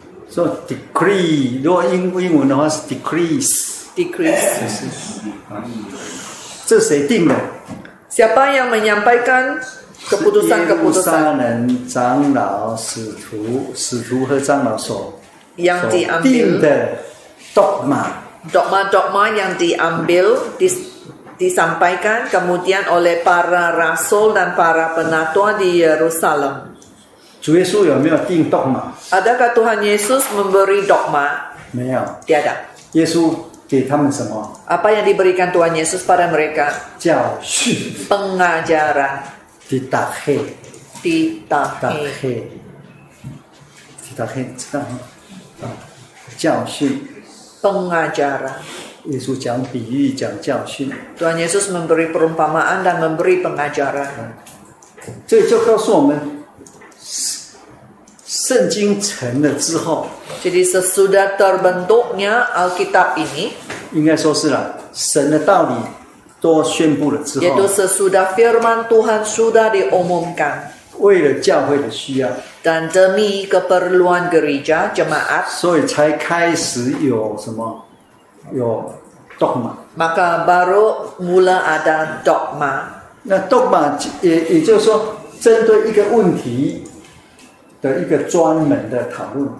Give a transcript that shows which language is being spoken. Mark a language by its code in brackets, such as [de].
[en] So decree, [zh] 如果英文的话是 decrease. 这是谁定的？ [ms] Siapa yang menyampaikan keputusan-keputusan? [zh] 耶路撒冷长老、使徒和长老所 [ms] yang diambil [zh] 定的 dogma. [ms] Dogma-dogma yang diambil, disampaikan kemudian oleh para rasul dan para penatua di Yerusalem. [zh] 主耶稣有没有定 dogma? [ms] Adakah Tuhan Yesus memberi dogma? [zh] 没有. [ms] Tiada. [zh] 耶稣给他们什么? [ms] Apa yang diberikan Tuhan Yesus pada mereka? [zh] 教训. [ms] Pengajaran. [el] Didahe. Didahe. [zh] Didahe. 教训. [ms] Pengajaran. [zh] 耶稣讲比喻，讲教训. [ms] Tuhan Yesus memberi perumpamaan dan memberi pengajaran. [zh] 这就告诉我们 圣经成了之后, [ms] jadi sesudah terbentuknya Alkitab ini, [zh] 应该说是啦, 神的道理都宣布了之后, [ms] yaitu sesudah firman Tuhan sudah diumumkan, [zh] 为了教会的需要, [ms] dan demi keperluan gereja, jemaat, [zh] 所以才开始有什么, 有 dogma, [ms] maka baru mula ada dogma. [zh] 那dogma 也就是说, 针对一个问题, 的一个专门的讨论.